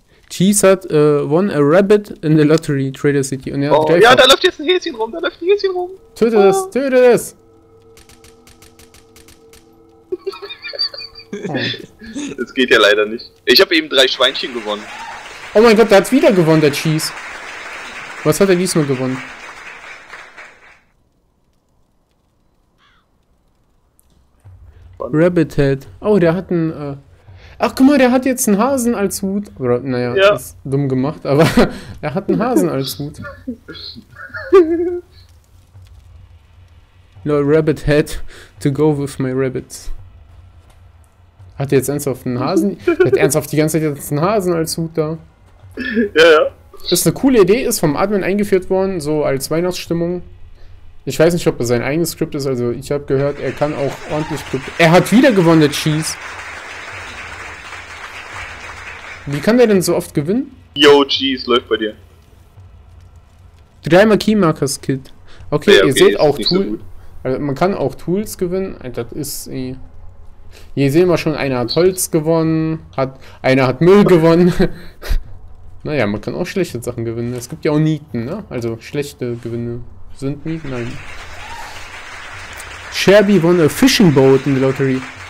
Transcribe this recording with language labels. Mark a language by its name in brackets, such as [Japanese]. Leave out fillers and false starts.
[English] Cheese hat won a rabbit in the lottery, Trader City. [German] Und er hat Oh, ja, da dreifach. läuft jetzt ein Häschen rum, da läuft ein Häschen rum. Töte das, töte das! Oh. Das geht ja leider nicht. Ich habe eben drei Schweinchen gewonnen. Oh mein Gott, der hat wieder gewonnen, der Cheese. Was hat er diesmal gewonnen? Rabbit Head. Oh, der hat einen. Ach, guck mal, der hat jetzt einen Hasen als Hut. Oder, naja, Ja. ist dumm gemacht, aber er hat einen Hasen als Hut. [English] No rabbit head to go with my rabbits. [German] Hat er jetzt ernsthaft einen Hasen? Er hat ernsthaft die ganze Zeit jetzt einen Hasen als Hut da. Ja. Das ist eine coole Idee, ist vom Admin eingeführt worden, so als Weihnachtsstimmung. Ich weiß nicht, ob er sein eigenes Skript ist, also ich habe gehört, er kann auch ordentlich Skript. Er hat wieder gewonnen, der Cheese. Wie kann der denn so oft gewinnen? Yo, Cheese, läuft bei dir. Drei Markiermarkers Kit. Okay, ihr seht auch Tools. Also man kann auch Tools gewinnen. Das ist. Hier sehen wir schon, einer hat Holz gewonnen, einer hat Müll gewonnen. Naja, man kann auch schlechte Sachen gewinnen. Es gibt ja auch Nieten, ne? Also schlechte Gewinne sind Nieten. Nein. [English] Sherby won a fishing boat in the lottery.